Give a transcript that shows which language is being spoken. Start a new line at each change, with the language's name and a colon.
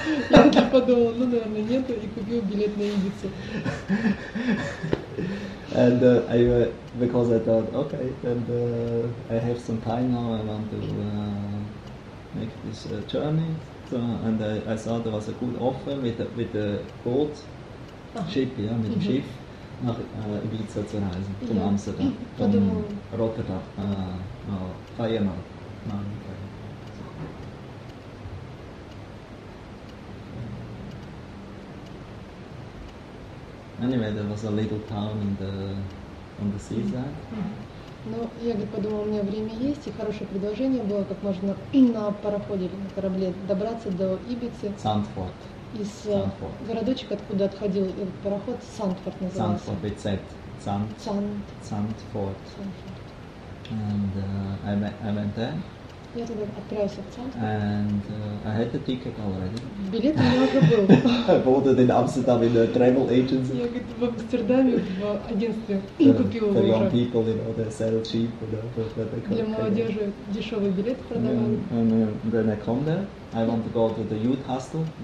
Russian: Я так подумал, ну, наверное, нету, и купил билет на Ибицу.
English: And because I thought, okay, and I have some time now, I want to make this journey. So, and I saw there was a good offer with a boat, ship, yeah, with a ship,
German: nach Ibiza zu reisen,
English: from Amsterdam, from Rotterdam, Feyenoord. Anyway, there was a little town on the seaside.
Russian: Ну, я говорит, подумала, у меня время есть, и хорошее предложение было, как можно на пароходе или на корабле добраться до Ибицы. Сандфорд. Из городочек, откуда отходил этот пароход, Сандфорд назывался.
English: Сандфорд, it's at Сандфорд. And I went there.
Russian: Я тогда отправился в Сандфорд.
English: And I had the ticket already.
Russian: Билет у меня уже был.
English: I bought it in Amsterdam in a travel agency.
Russian: Я говорит, в Амстердаме в агентстве купил его уже.
English: For young people, you know, they sell cheap, you know, for the car.
Russian: Для молодежи дешевый билет продавали.
English: And then I come there. I want to go to the youth hostel.